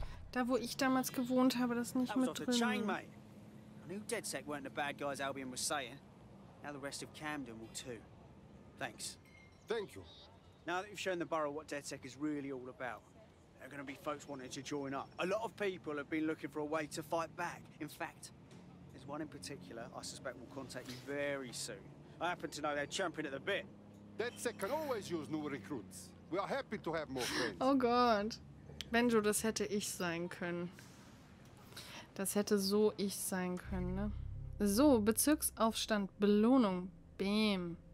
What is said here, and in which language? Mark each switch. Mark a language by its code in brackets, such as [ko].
[de] Da, wo ich damals gewohnt habe, das nicht mit drin. [en] Chain, mate. I knew dead sex weren't the bad guys Albion was saying. Now the rest of Camden will too. Thanks. Thank you. Now that you've shown the borough what dead sex is really all about. There are going to be folks wanting to join up. A lot of people have been looking for a way to fight back. In fact, there's one in particular I suspect will contact you very soon. I happen to know they're champing at the bit. DedSec can always use new recruits. We are happy to have more friends. Oh God. [de] Benjo, das hätte ich sein können. Das hätte so ich sein können, ne? So, Bezirksaufstand, Belohnung. Bam.